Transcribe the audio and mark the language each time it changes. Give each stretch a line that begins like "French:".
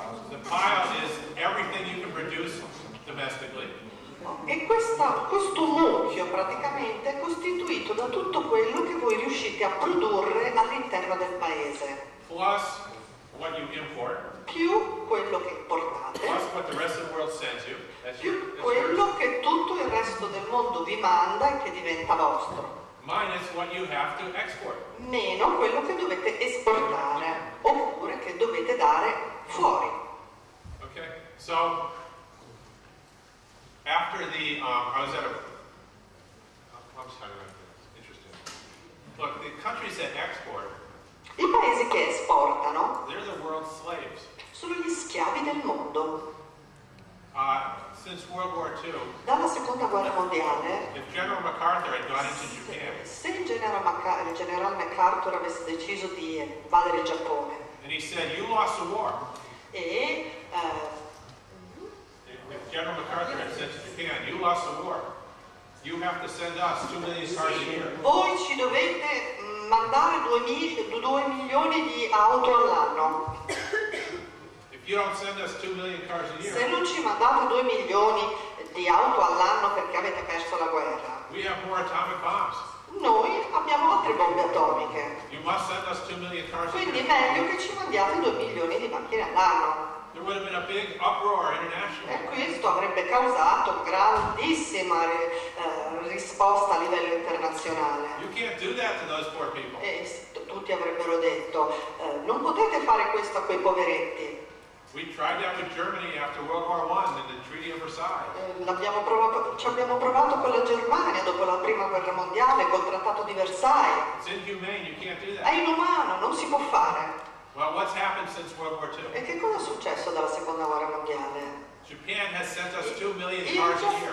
English: The pile is everything you can produce domestically.
Italian: E questo mucchio praticamente è costituito da tutto quello che voi riuscite a produrre all'interno del paese.
English: Plus what you import.
Italian: Più quello che importate.
English: Plus what the rest of the world sends you.
Italian: Più quello che tutto il resto del mondo vi manda e che diventa vostro.
English: Minus what you have to export.
Italian: Meno quello che dovete esportare oppure che dovete dare fuori.
English: Okay. So after the I was at a interesting. Look, the countries that export.
Italian: I paesi che esportano.
English: They're the world's slaves.
Italian: Sono gli schiavi del mondo.
English: Since World War II,
Italian: dalla seconda guerra mondiale,
English: if General MacArthur had gone into Japan,
Italian: se il generale MacArthur avesse deciso di invadere il Giappone,
English: and he said, "You lost the war."
Italian: E
English: if General MacArthur had said to Japan, "You lost the war. You have to send us 2 million cars a year."
Italian: Voi ci dovete mandare 2 milioni di auto all'anno.
English: You don't send us 2 million cars a year.
Italian: Se non ci mandate 2 milioni di auto all'anno perché avete perso la guerra,
English: we have more atomic bombs.
Italian: Noi abbiamo altre bombe atomiche.
English: You must send us 2 million cars.
Italian: Quindi è meglio che ci mandiate 2 milioni di macchine all'anno.
English: There would have been a big uproar internationally.
Italian: E questo avrebbe causato grandissima risposta a livello internazionale.
English: You can't do that to those poor people.
Italian: E tutti avrebbero detto, non potete fare questo a quei poveretti.
English: We tried that with Germany after World War I in the Treaty of Versailles.
Italian: Ci abbiamo provato con la Germania dopo la Prima Guerra Mondiale col Trattato di Versailles.
English: It's inhumane, you can't do that.
Italian: È inumano, non si può fare.
English: Well, what's happened since World War II?
Italian: E che cosa è successo dalla Seconda Guerra Mondiale?
English: Japan has sent us 2 million cars a year.